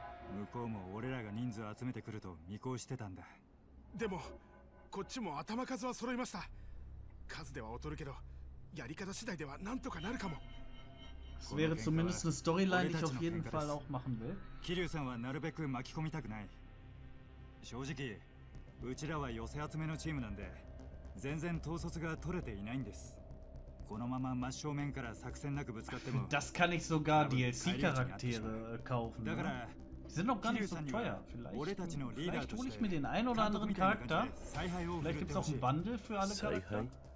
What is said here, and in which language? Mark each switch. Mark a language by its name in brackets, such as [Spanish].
[Japanese] 向こうも俺らが人数集めてくると見越してたんだ。でもこっちも頭数は揃いました。数では劣るけど、やり方次第ではなんとかなるかも。それは [German] zumindest eine Storyline, die ich auf jeden Fall auch machen will. [Japanese] キリュウさんはなるべく巻き込みたくない。正直うちらは寄せ集めのチームなんで、全然統率が取れていないんです。このまま真正面から作戦なくぶつかっても、 [German] das kann ich sogar DLC Charaktere kaufen. [Japanese] だから [German] sind noch gar nicht so teuer. Vielleicht hole ich mir den einen oder anderen Charakter. Vielleicht gibt es auch einen Bundle für alle Charakter.